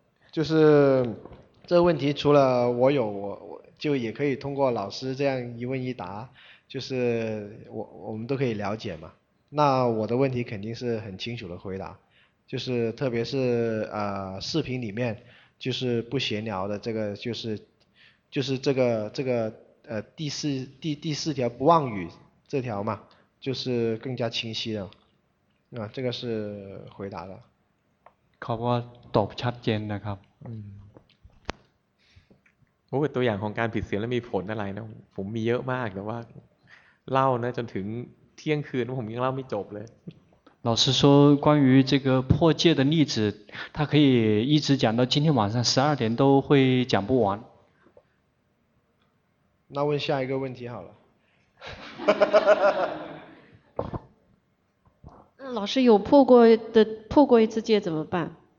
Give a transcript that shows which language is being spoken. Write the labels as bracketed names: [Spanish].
[Chinese] 就是这问题除了我有我就也可以通过老师这样一问一答就是我们都可以了解嘛那我的问题肯定是很清楚的回答就是特别是视频里面就是不闲聊的这个就是这个第四条不妄语这条嘛就是更加清晰的啊这个是回答的 [Thai] ขอบว่าตอบชัดเจนนะครับ โอ้ตัวอย่างของการผิดศีลแล้วมีผลอะไรนะผมมีเยอะมากแต่ว่าเล่านะจนถึงเที่ยงคืนผมยังเล่าไม่จบเลย [Chinese] 老师说关于这个破戒的例子他可以一直讲到今天晚上12点都会讲不完那问下一个问题好了老师有破过一次戒怎么办